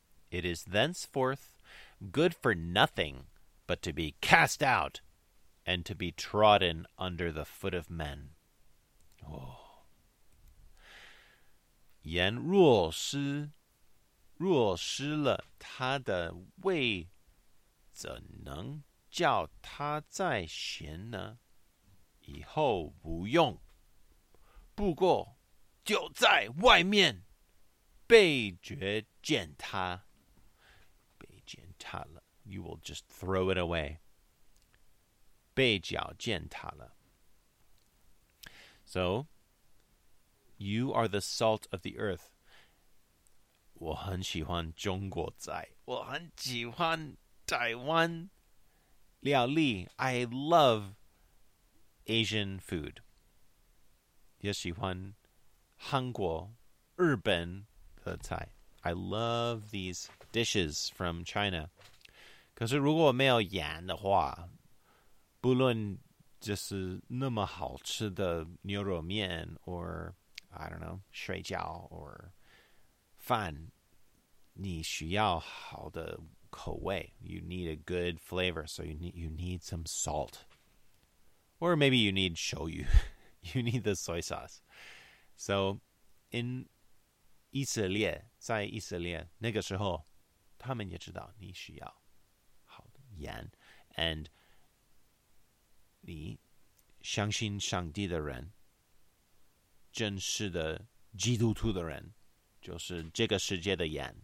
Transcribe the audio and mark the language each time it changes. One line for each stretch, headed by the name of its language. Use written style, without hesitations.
English: It is thenceforth good for nothing but to be cast out and to be trodden under the foot of men. Oh.
Chinese: 盐若失了他的味，怎能叫他再咸呢？以后无用，不过就在外面被绝践踏，被践踏了。
English: You will just throw it away.
Chinese: 被脚践踏了。
English: So, you are the salt of the earth.
Chinese: 我很喜欢中国菜，我很喜欢台湾料理。
English: I love Asian food.
Chinese: 也喜欢韩国、日本的菜。
English: I love these dishes from China.
Chinese: 可是如果没有盐的话，不论就是那么好吃的牛肉面
English: or, I don't know,
Chinese: 水饺 or 饭，你需要好的口味。
English: You need a good flavor, so you need some salt. Or maybe you need shoyu. You need the soy sauce. So, in
Chinese: 以色列，在以色列那个时候，他们也知道你需要好的盐。
English: And
Chinese: 你相信上帝的人，真实的基督徒的人，就是这个世界的盐。